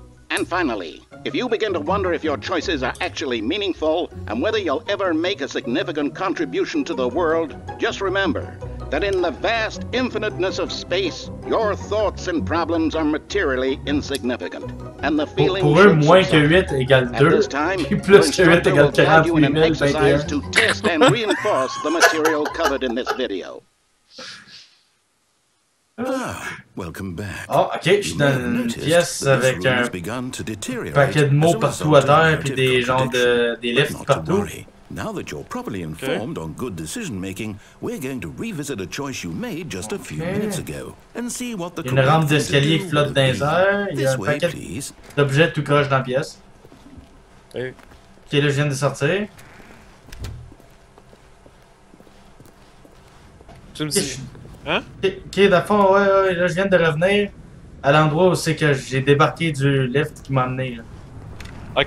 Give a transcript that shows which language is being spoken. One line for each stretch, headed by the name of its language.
English: And finally, if you begin to wonder if your choices are actually meaningful and whether you'll ever make a significant contribution to the world, just remember that in the vast infiniteness of space, your thoughts and problems are materially insignificant. And the feeling
French: pour eux, moins que 8 égale 2, plus que 8 égale 40,021.
English: To test and reinforce the material covered in this video. Ah, welcome back.
French: Oh, ok, je suis dans une pièce avec un paquet de mots partout à terre puis des gens des lifts partout.
English: Now that you're properly informed on good decision-making, we're going to revisit a choice you made just a few minutes ago and see what the correct thing to do with it.
French: Une rampe d'escalier flotte dans les airs. Il y a un paquet d'objets tout croche dans la pièce. Ok, là, je viens de sortir. Tu me dis... Ok, dans le fond, ouais, là, je viens de revenir à l'endroit où c'est que j'ai débarqué du lift qui m'a amené. Ok.